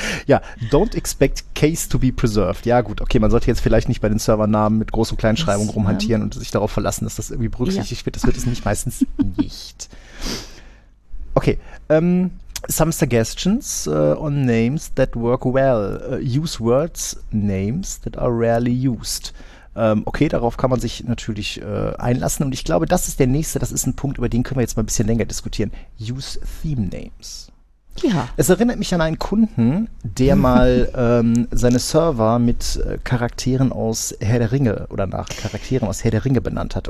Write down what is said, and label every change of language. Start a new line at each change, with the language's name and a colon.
English: Ja, don't expect case to be preserved.
German: Ja, gut, okay, man sollte jetzt vielleicht nicht bei den Servernamen mit Groß- und Das, Kleinschreibung rumhantieren und sich darauf verlassen, dass das irgendwie ja. berücksichtigt wird. Das wird es nicht meistens nicht.
English: Okay, some suggestions on names that work well. Use words, names that are rarely used.
German: Okay, darauf kann man sich natürlich einlassen. Und ich glaube, das ist der nächste, das ist ein Punkt, über den können wir jetzt mal ein bisschen länger diskutieren.
English: Use theme names.
German: Ja. Es erinnert mich an einen Kunden, der mal seine Server mit Charakteren aus Herr der Ringe oder nach Charakteren aus Herr der Ringe benannt hat.